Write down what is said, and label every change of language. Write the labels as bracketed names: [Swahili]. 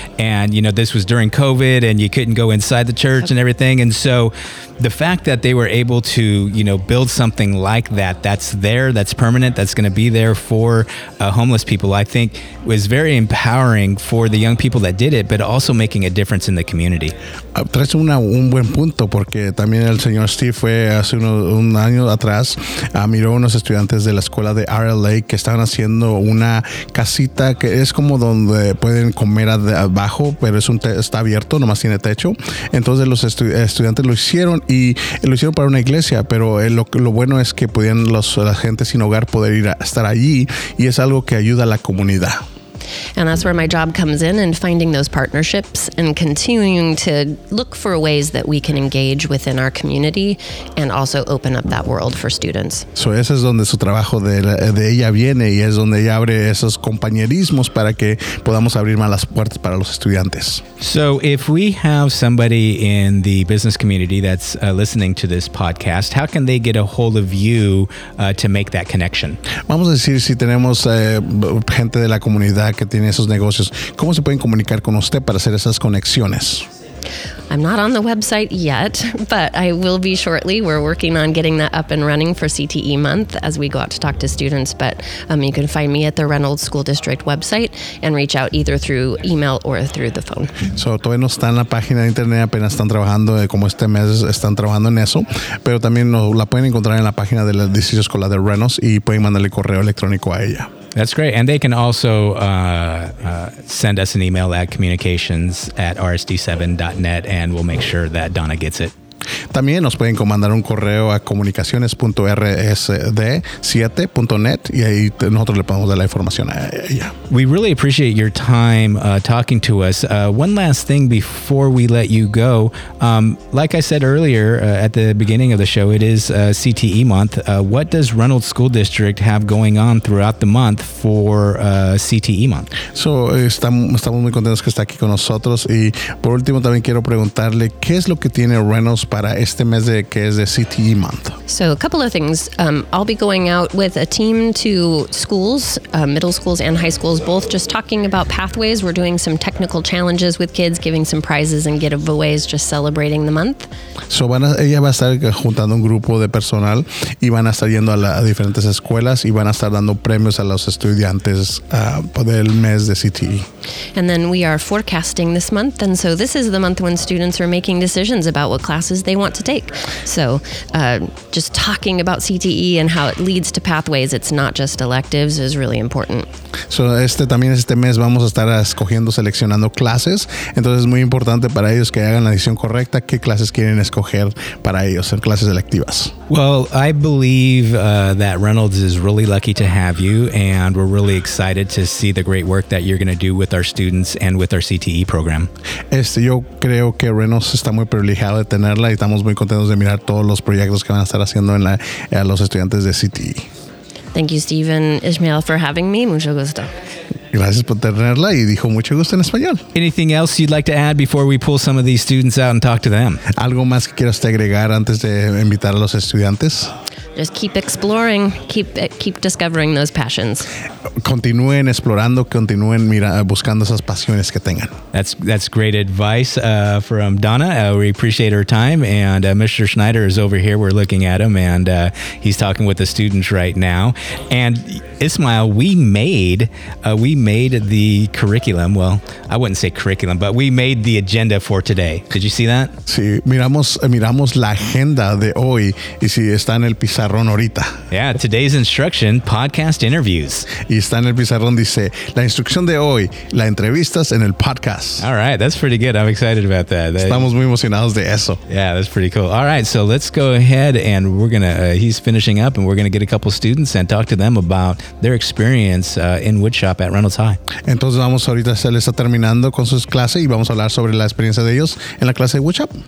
[English] And you know, this was during COVID and you couldn't go inside the church and everything, and so the fact that they were able to, you know, build something like that, that's there, that's permanent, that's going to be there for homeless people, I think was very empowering for the young people that did it, but also making a difference in the community. [Spanish] Traes un buen punto, porque también el señor Steve fue hace un año atrás, miró unos estudiantes de la escuela de RLA que estaban haciendo una casita que es como donde pueden comer abajo, pero está abierto, nomás tiene techo. Entonces los estudiantes lo hicieron y lo hicieron para una iglesia, pero lo bueno es que podían la gente sin hogar poder ir a estar allí, y es algo que ayuda a la comunidad. [English] And that's where my job comes in, and finding those partnerships and continuing to look for ways that we can engage within our community and also open up that world for students. [Spanish] So ese es donde su trabajo de ella viene, y es donde ella abre esos compañerismos para que podamos abrir más las puertas para los estudiantes. [English] So if we have somebody in the business community that's listening to this podcast, how can they get a hold of you to make that connection? [Spanish] Vamos a decir, si tenemos gente de la comunidad que tiene esos negocios, ¿cómo se pueden comunicar con usted para hacer esas conexiones? [English] I'm not on the website yet, but I will be shortly. We're working on getting that up and running for CTE month as we go out to talk to students. But you can find me at the Reynolds School District website and reach out either through email or through the phone. [Spanish] So todavía no está en la página de internet, apenas están trabajando, como este mes están trabajando en eso, pero también la pueden encontrar en la página del Distrito Escolar de Reynolds y pueden mandarle correo electrónico a ella. [English] That's great. And they can also send us an email at communications@rsd7.net, and we'll make sure that Donna gets it. [Spanish] También nos pueden mandar un correo a comunicaciones.rsd7.net, y ahí nosotros le podemos dar la información a ella. [English] We really appreciate your time talking to us. One last thing before we let you go. Like I said earlier at the beginning of the show, it is CTE month. What does Reynolds School District have going on throughout the month for CTE month? [Spanish] So estamos muy contentos que está aquí con nosotros, y por último también quiero preguntarle, ¿qué es lo que tiene Reynolds para este mes de, que es de CTE month? [English] So a couple of things. I'll be going out with a team to schools, middle schools and high schools, both just talking about pathways. We're doing some technical challenges with kids, giving some prizes and giveaways, just celebrating the month. [Spanish] So ella va a estar juntando un grupo de personal y van a estar yendo a diferentes escuelas y van a estar dando premios a los estudiantes del mes de CTE. [English] And then we are forecasting this month. And so this is the month when students are making decisions about what classes they want to take. So just talking about CTE and how it leads to pathways, it's not just electives, is really important. [Spanish] So también este mes vamos a estar escogiendo, seleccionando clases. Entonces es muy importante para ellos que hagan la decisión correcta, qué clases quieren escoger para ellos, en clases electivas. [English] Well, I believe that Reynolds is really lucky to have you, and we're really excited to see the great work that you're going to do with our students and with our CTE program. [Spanish] Yo creo que Reynolds está muy privilegiado de tener, y estamos muy contentos de mirar todos los proyectos que van a estar haciendo en a los estudiantes de CTE. [English] Thank you, Stephen, Ismael, for having me. [Spanish] Mucho gusto. Gracias por tenerla, y dijo mucho gusto en español. [English] Anything else you'd like to add before we pull some of these students out and talk to them? [Spanish] ¿Algo más que quieras agregar antes de invitar a los estudiantes? [English] Just keep exploring, keep discovering those passions. [Spanish] Continúen explorando, continúen buscando esas pasiones que tengan. [English] That's great advice from Donna. We appreciate her time. And Mr. Schneider is over here. We're looking at him, and he's talking with the students right now. And Ismael, we made the curriculum. Well, I wouldn't say curriculum, but we made the agenda for today. Did you see that? [Spanish] Sí, miramos la agenda de hoy, y sí, está en el pizarrón. [English] Yeah, today's instruction, podcast interviews. [Spanish] Y está en el pizarrón, dice, la instrucción de hoy, las entrevistas en el podcast. [English] All right, that's pretty good. I'm excited about that. [Spanish] Estamos muy emocionados de eso. [English] Yeah, that's pretty cool. All right, so let's go ahead, and we're going to, he's finishing up, and we're going to get a couple students and talk to them about their experience in woodshop at Reynolds High. [Spanish] Entonces vamos ahorita, se les está terminando con sus clases, y vamos a hablar sobre la experiencia de ellos en la clase de woodshop.